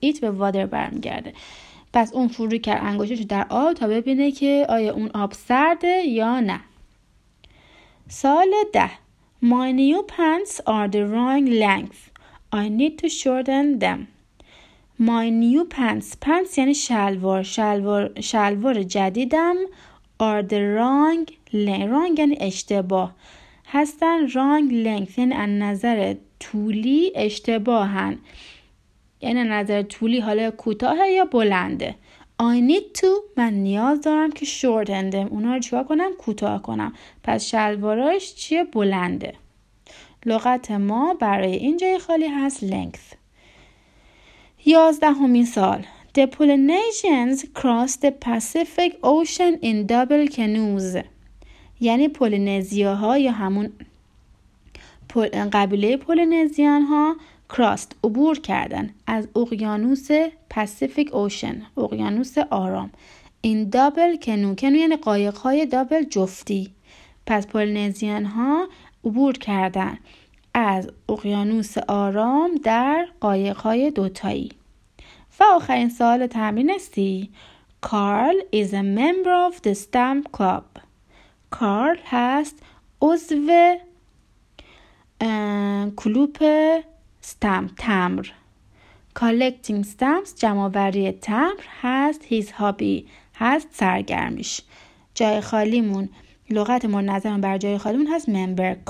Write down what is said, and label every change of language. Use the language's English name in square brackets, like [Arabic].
[English] It [Persian] به water برمیگرده. پس اون فرو کرد انگشتش رو در آب تا ببینه که آیا اون آب سرده یا نه. سال 10. [English] My new pants are the wrong length. I need to shorten them. My new pants. [Persian] Pants یعنی شلوار. شلوار جدیدم. [English] Are the wrong length. [Persian] Wrong یعنی اشتباه. هستن [English] wrong length. [Persian] یعنی از نظر طولی اشتباهن. یعنی از نظر طولی حالا کوتاهه یا بلنده. [English] I need to. [Persian] من نیاز دارم که [English] shorten them. [Persian] اونا رو چیکار کنم؟ کوتاه کنم. پس شلوارش چیه؟ بلنده. لغت ما برای این جای خالی هست length. 11th سال. [English] The Polynesians crossed the Pacific Ocean in double canoes. [Persian] یعنی پولینزیاها یا همون قبیله پولینزیان ها crossed عبور کردن از اقیانوس Pacific Ocean، اقیانوس آرام، [English] in double canoe. [Persian] کنو یعنی قایق های دابل جفتی. پس پولینزیان ها عبور کردن از اقیانوس آرام در قایق های دوتایی. و آخرین سوال تمرین سی. [English] Carl is a member of the stamp club. [Persian] Carl هست عضو کلوپ stamp تمر. [English] Collecting stamps [Persian] جمع‌آوری تمر هست [English] his hobby [Persian] هست سرگرمیش. جای خالیمون لغت مورد نظرمون بر جای خالیمون هست member.